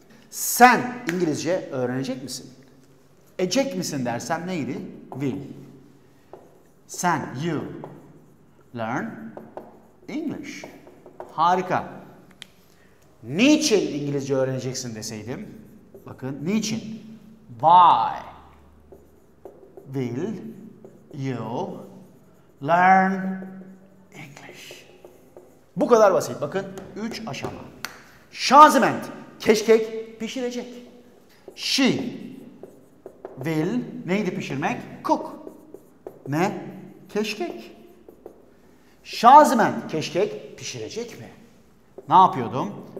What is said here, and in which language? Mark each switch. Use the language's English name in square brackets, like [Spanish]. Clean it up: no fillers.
[Turkish] Sen İngilizce öğrenecek misin? Edecek misin dersem neydi? Will. Sen, [English] you, learn English. [Turkish] Harika. Niçin İngilizce öğreneceksin deseydim? Bakın, niçin? [English] Why will you learn English? [Turkish] Bu kadar basit. Bakın, 3 aşama. Şazement, keşkek pişirecek. [English] She will, [Turkish] neydi pişirmek? [English] Cook. [Turkish] Ne? Keşkek. Şazmen keşkek pişirecek mi? Ne yapıyordum?